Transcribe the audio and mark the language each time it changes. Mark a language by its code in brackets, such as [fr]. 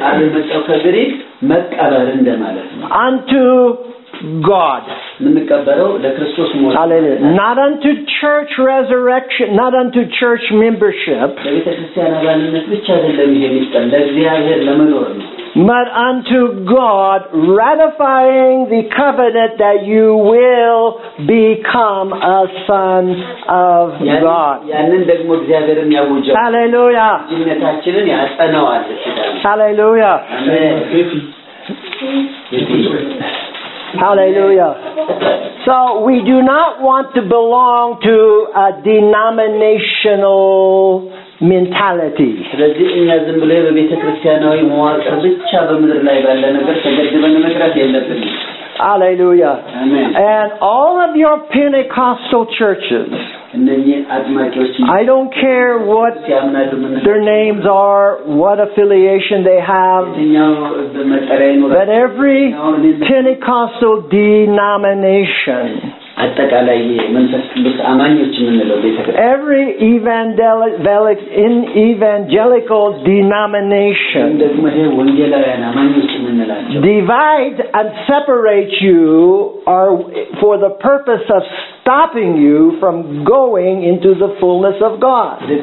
[am] አለመጣው ከግሪክ መቀበር እንደማለት ነው. [en] Unto God. [am] ምንቀበረው ለክርስቶስ ሞት. [en] Hallelujah. Not unto church resurrection, not unto church membership. [am] ለቤተክርስቲያን አባልነት ብቻ አይደለም ይሄ የሚጠን ለእግዚአብሔር ለመኖር ነው. [en] But unto God ratifying the covenant that you will become a son of God. [am] ያንን ደግሞ እግዚአብሔርም ያውጀው. [en] Hallelujah. [am] ጅነታችንን ያጸናዋል ሲዳን. [en] Hallelujah. [am] አሜን. [en] Hallelujah. So we do not want to belong to a denominational mentality. [am] ስለዚህ እኛ ዝም ብለን በቤተክርስቲያናዊ መዋቅር ብቻ በመድር ላይ ባለ ነገር ተገድበን መቅረት የለብንም. [en] Hallelujah. Amen. And all of your Pentecostal churches, I don't care what their names are, what affiliation they have, but every Pentecostal denomination, every evangelical denomination, divide and separate you are for the purpose of stopping you from going into the fullness of God.